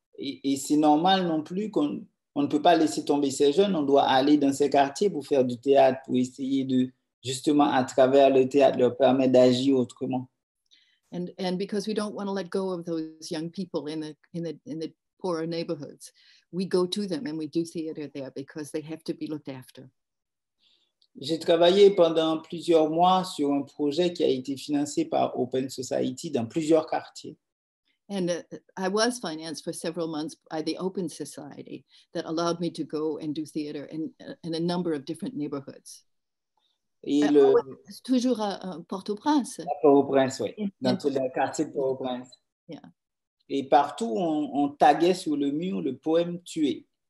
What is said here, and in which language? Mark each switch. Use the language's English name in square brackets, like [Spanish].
[French] Et c'est normal non plus qu'on ne peut pas laisser tomber ces jeunes, on doit aller dans ces quartiers pour faire du théâtre, pour essayer de... justement, à travers le théâtre, leur permet d'agir autrement. [English] And because we don't want to let go of those young people in the poorer neighborhoods, we go to them and we do theater there because they have to be looked after. [French] J'ai travaillé pendant plusieurs mois sur un projet qui a été financé par Open Society dans plusieurs quartiers. [English] And I was financed for several months by the Open Society that allowed me to go and do theater in a number of different neighborhoods. [French] C'est toujours à Port-au-Prince. À Port-au-Prince, oui. Dans tous les quartiers de Port-au-Prince. [English] Yeah. [French] Et partout, on taguait sur le mur le poème tué.